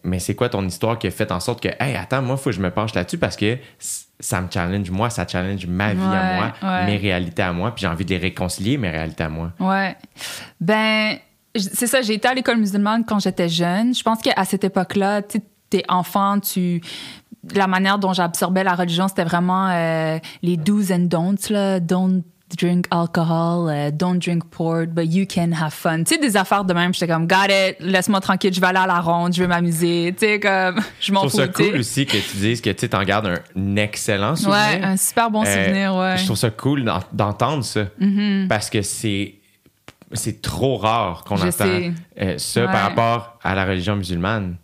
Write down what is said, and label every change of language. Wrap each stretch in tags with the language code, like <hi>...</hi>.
<fr>Mais c'est quoi ton histoire qui a fait en sorte que, hey, attends, moi, il faut que je me penche là-dessus parce que ça me challenge moi, ça challenge ma vie à moi, mes réalités à moi, puis j'ai envie de les réconcilier, mes réalités à moi. Ouais. Ben, c'est ça, j'ai été à l'école musulmane quand j'étais jeune. Je pense qu'à cette époque-là, t'es enfant, la manière dont j'absorbais la religion, c'était vraiment les</fr> <en>do's and don'ts,</en> <fr>là.</fr> <en>Don't drink alcohol, don't drink port, but you can have fun.</en> <fr>Tu sais, des affaires de même, j'étais comme,</fr> <en>got it,</en> <fr>laisse-moi tranquille, je vais aller à la ronde, je vais m'amuser, tu sais, comme, je m'en fous. Je trouve ça cool aussi que tu dises que tu t'en gardes un excellent souvenir. Ouais, un super bon souvenir, ouais. Je trouve ça cool d'entendre ça, parce que c'est trop rare qu'on entend ça par rapport à la religion musulmane.</fr>